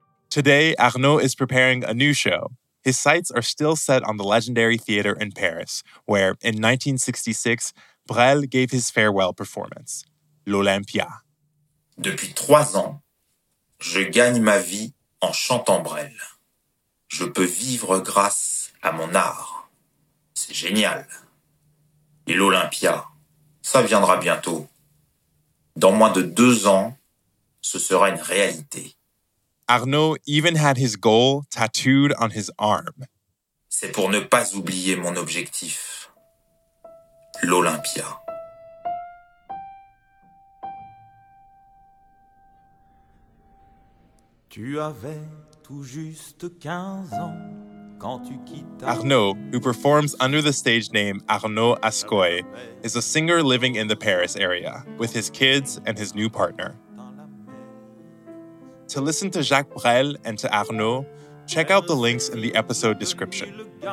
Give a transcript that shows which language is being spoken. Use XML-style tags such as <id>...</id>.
<en>Today, Arnaud is preparing a new show. His sights are still set on the legendary theater in Paris, where, in 1966, Brel gave his farewell performance, l'Olympia.</en> <fr>Depuis 3 ans, je gagne ma vie en chantant Brel. Je peux vivre grâce à mon art. C'est génial. Et l'Olympia, ça viendra bientôt. Dans moins de 2 ans, ce sera une réalité.</fr> <en>Arnaud even had his goal tattooed on his arm.</en> <fr>C'est pour ne pas oublier mon objectif. L'Olympia. Tu avais tout juste 15 ans quand tu quittas.</fr> <en>Arnaud, who performs under the stage name Arnaud Ascoy, is a singer living in the Paris area with his kids and his new partner. To listen to Jacques Brel and to Arnaud, check out the links in the episode description.</en>